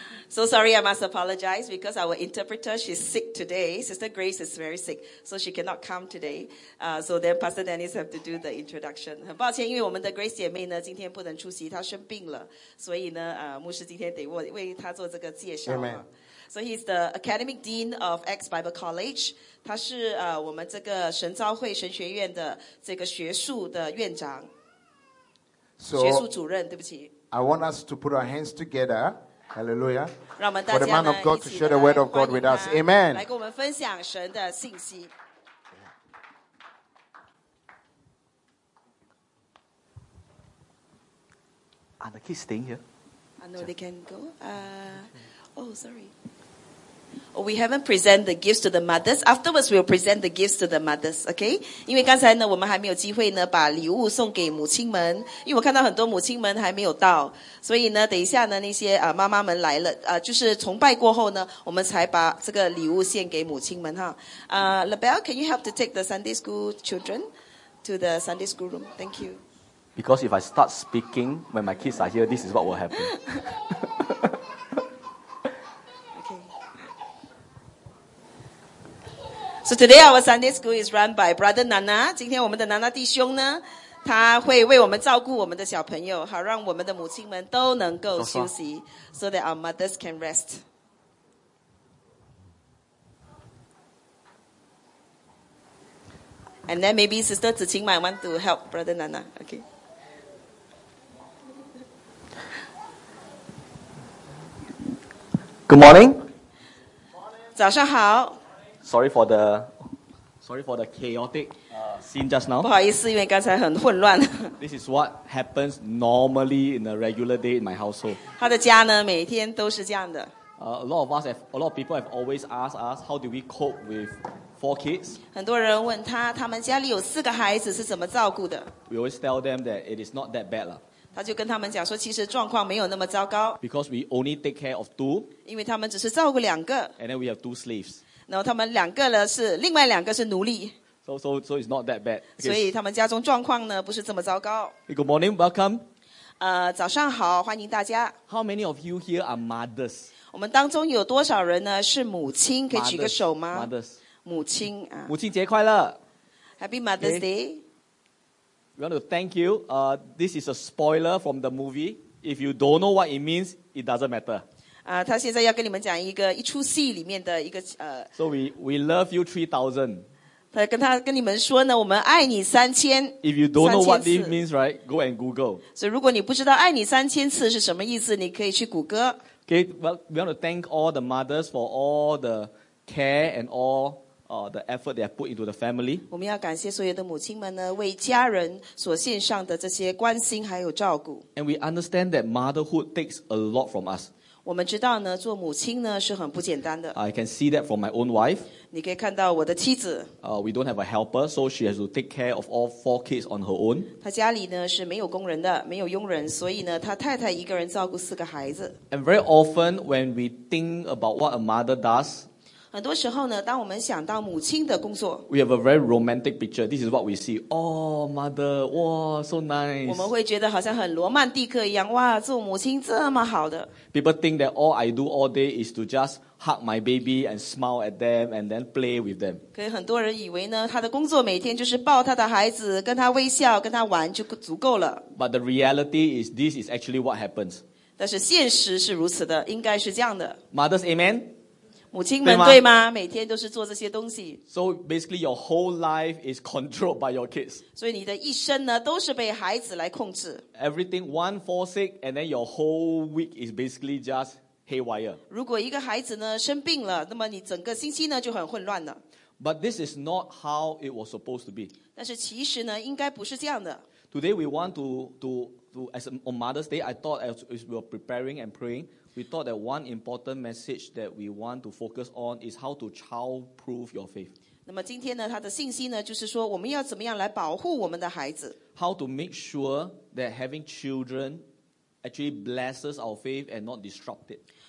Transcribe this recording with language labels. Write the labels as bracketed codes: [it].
[en] So sorry, I must apologize because our interpreter, she's sick today. Sister Grace is very sick, so she cannot come today. So then Pastor Dennis have to do the introduction. [zh] 很抱歉，因为我们的 Grace 姐妹呢，今天不能出席，她生病了，所以呢，牧师今天得为她做这个介绍。 [en] Amen. So he's the Academic Dean of X Bible College. [zh] 他是我们这个神召会神学院的这个学术的院长， [en] so, [zh] 学术主任，对不起。 [en] I want us to put our hands together. Hallelujah. [zh] 让我们大家呢, [en] for the man of God to share the word of God with us. Amen. [zh] 来跟我们分享神的信息。 [en] Are the kids staying here? I know they can go. Sorry. Oh, we haven't presented the gifts to the mothers. Afterwards, we'll present the gifts to the mothers, okay? [zh] 因为刚才呢，我们还没有机会呢，把礼物送给母亲们。因为我看到很多母亲们还没有到，所以呢，等一下呢，那些妈妈们来了，就是崇拜过后呢，我们才把这个礼物献给母亲们哈。 [en] LaBelle, can you help to take the Sunday school children to the Sunday school room? Thank you. Because if I start speaking when my kids are here, this is what will happen. So today our Sunday school is run by Brother Nana. [zh] 今天我们的 Nana 弟兄呢，他会为我们照顾我们的小朋友，好让我们的母亲们都能够休息 ， [en] so that our mothers can rest. And then maybe Sister Zixin might want to help Brother Nana. Okay. Good morning. [zh] 早上好。 [en] Sorry for the chaotic scene just now. [zh] 不好意思，因为刚才很混乱。 [en] This is what happens normally in a regular day in my household. [zh] 他的家呢，每天都是这样的。 [en] A lot of people have always asked us, how do we cope with four kids? [zh] 很多人问他，他们家里有四个孩子是怎么照顾的。 [en] We always tell them that it is not that bad lah. [zh] 他就跟他们讲说，其实状况没有那么糟糕。 [en] Because we only take care of two. [zh] 因为他们只是照顾两个。 [en] And then we have two slaves. [zh] 然后他们两个呢是另外两个是奴隶 [en] so it's not that bad、 [zh] okay. 所以他们家中状况呢不是这么糟糕 [en] hey, Good morning, welcome、 [zh] 早上好欢迎大家 [en] How many of you here are mothers? [zh] 我们当中有多少人呢是母亲可以举个手吗 [en] mothers. [zh] 母亲、啊、母亲节快乐 [en] Happy Mother's、okay. Day We want to thank you、This is a spoiler from the movie If you don't know what it means, it doesn't matter [zh] 他现在要跟你们讲一出戏里面的一个 [en] So we love you 3,000. [zh] 他跟你们说呢，我们爱你三千。 [en] If you don't know what this means, right? Go and Google. [zh] 所以如果你不知道爱你三千次是什么意思，你可以去谷歌。 [en] Okay, well, we want to thank all the mothers for all the care and all the effort they have put into the family. [zh] 我们要感谢所有的母亲们呢，为家人所献上的这些关心还有照顾。 [en] And we understand that motherhood takes a lot from us. [zh] 我们知道呢，做母亲呢是很不简单的。 [en] I can see that from my own wife. [zh] 你可以看到我的妻子。 [en] We don't have a helper, so she has to take care of all four kids on her own. [zh] 她家里呢是没有工人的，没有佣人，所以呢，她太太一个人照顾四个孩子。 [en] And very often when we think about what a mother does, [zh] 很多时候呢，当我们想到母亲的工作 [en] ，we have a very romantic picture. This is what we see. Oh, mother, wow, so nice. [zh] 我们会觉得好像很罗曼蒂克一样，哇，做母亲这么好的。 [en] People think that all I do all day is to just hug my baby and smile at them and then play with them. [zh] 可是很多人以为呢，他的工作每天就是抱他的孩子，跟他微笑，跟他玩就足够了。 [en] But the reality is, this is actually what happens. [zh] 但是现实是如此的，应该是这样的。 [en] Mothers, amen. [zh] 母亲们对吗？每天都是做这些东西。 [en] So basically your whole life is controlled by your kids. [zh] 所以你的一生呢都是被孩子来控制。 [en] Everything, one falls sick and then your whole week is basically just haywire. [zh] 如果一个孩子呢生病了， 那么你整个星期呢就很混乱了。 [en] But this is not how it was supposed to be. [zh] 但是其实呢应该不是这样的。 [en] Today we want to as on Mother's Day, I thought as we were preparing and praying, we thought that one important message that we want to focus on is how to child-proof your faith. [zh] 那么今天呢，他的信息呢，就是说我们要怎么样来保护我们的孩子。 [en] How to make sure that having children actually blesses our faith and not disrupt it.